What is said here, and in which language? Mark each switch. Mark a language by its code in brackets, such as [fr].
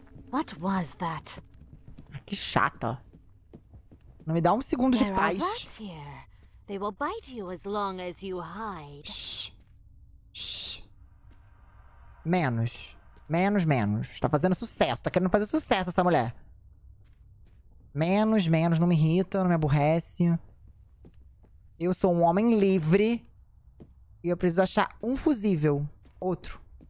[en] What was that? [pt] Que chata. Não me dá um segundo de paz. [en] There are rats here. They will bite you as long as you hide. Shh. [pt] Menos. Tá fazendo sucesso. Tá querendo fazer sucesso essa mulher. Menos. Não me irrita, não me aborrece. Eu sou um homem livre. E eu preciso achar um fusível. Outro.